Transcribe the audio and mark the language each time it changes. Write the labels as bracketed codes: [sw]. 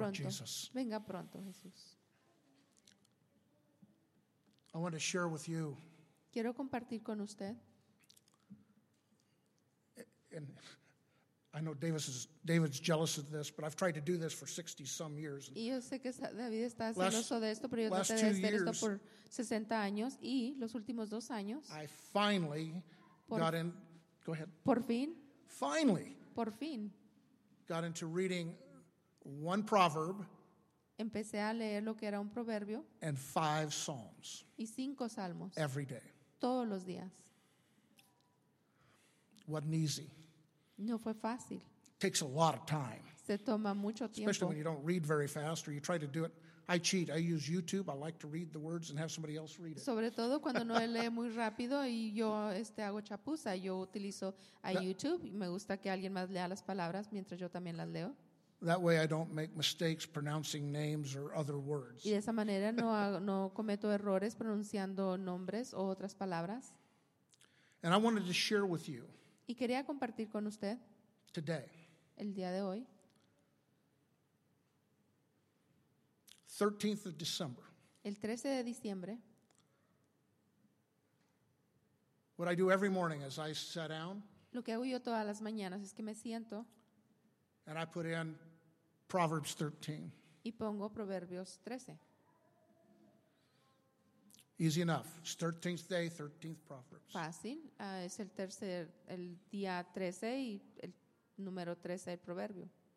[en] Lord Jesus. [es] Venga pronto, Jesús. [en] I want to share with you. [es] Quiero compartir con usted. [en] And I know David's jealous of this, but I've tried to do this for 60 some years. [es] Y yo sé que David está celoso de esto, pero yo traté de hacer esto por 60 años y los últimos dos años. [en] I finally got in. Go ahead. [es] Por fin. [en] Finally. [es] Por fin. [en] Got into reading one proverb. [es] Empecé a leer lo que era un proverbio. [en] And five psalms. [es] Y cinco salmos. [en] Every day. [es] Todos los días. [en] Wasn't easy. [es] No fue fácil. [en] Takes a lot of time. [es] Se toma mucho tiempo. [en] Especially when you don't read very fast or you try to do it. I cheat. I use YouTube. I like to read the words and have somebody else read it. [es] Sobre todo cuando no lee muy rápido y yo hago chapuza. Yo utilizo a YouTube. Me gusta que alguien más lea las palabras mientras yo también las leo. [en] That way I don't make mistakes pronouncing names or other words. [es] Y de esa manera no cometo errores pronunciando nombres o otras palabras. [en] And I wanted to share with you. [es] Y quería compartir con usted. [en] Today. [es] El día de hoy. [en] 13th of December. [es] El 13 de diciembre. [en] What I do every morning as I sit down. [es] Lo que hago yo todas las mañanas es que me siento. [en] And I put in Proverbs 13. [es] Y pongo Proverbios 13. [en] Easy enough. It's 13th day, 13th Proverbs. [es] Fácil. Es el tercer, el día 13 y el número 13 del proverbio.